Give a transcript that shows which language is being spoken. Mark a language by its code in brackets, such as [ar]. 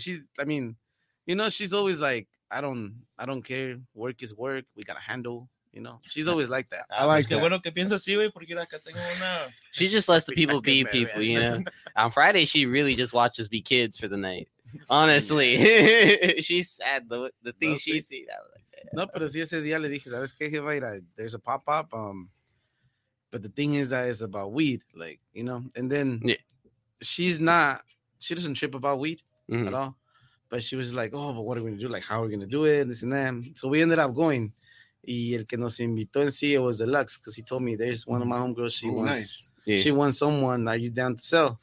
[en] She's, I mean, you know, she's always like, I don't care. Work is work. We gotta handle. You know, she's always like that. I like that. [es] Bueno, que piensa así, güey, porque acá tengo una. [en] She just lets the people be people. You know, on Friday she really just watches be kids for the night. Honestly, she's sad. The things she sees. [es] No, pero sí ese día le dije, ¿sabes qué, jefa? [en] There's a pop-up, but the thing is that it's about weed, like, you know? And then she doesn't trip about weed at all, but she was like, oh, but what are we going to do? Like, how are we going to do it? This and that. So we ended up going, [es] y el que nos invitó en sí, [en] it was Deluxe, because he told me, there's one of my homegirls, she wants someone, are you down to sell?